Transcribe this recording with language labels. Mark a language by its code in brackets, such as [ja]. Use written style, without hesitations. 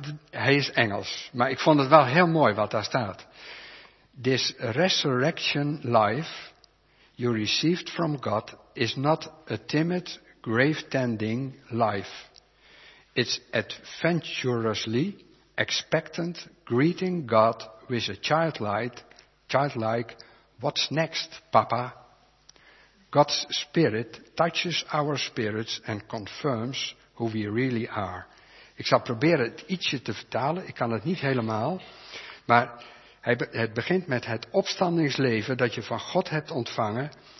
[nl] Hij is Engels. Maar ik vond het wel heel mooi wat daar staat. [en] This resurrection life you received from God is not a timid, grave-tending life. It's adventurously expectant, greeting God with a childlike, what's next, Papa? God's spirit touches our spirits and confirms who we really are. [nl] Ik zal proberen het ietsje te vertalen. Ik kan het niet helemaal. Maar het begint met het opstandingsleven dat je van God hebt ontvangen.